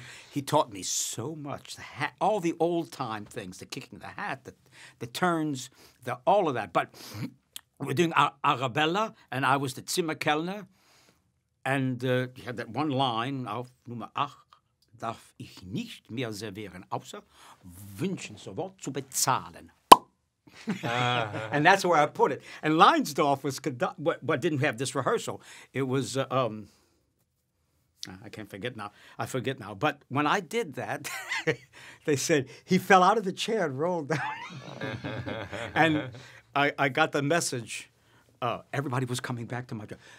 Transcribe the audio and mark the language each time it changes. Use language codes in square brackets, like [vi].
[en] He taught me so much. All the old-time things, the kicking of the hat, the turns, all of that. But we're doing Arabella, and I was the Zimmer Kellner. And you had that one line, [de] auf Nummer 8 darf ich nicht mehr servieren, außer wünschen sofort zu bezahlen. [en] And that's where I put it. And Leinsdorf was but didn't have this rehearsal. It was, I forget now. But when I did that, they said he fell out of the chair and rolled down. And I got the message. Everybody was coming back to my job.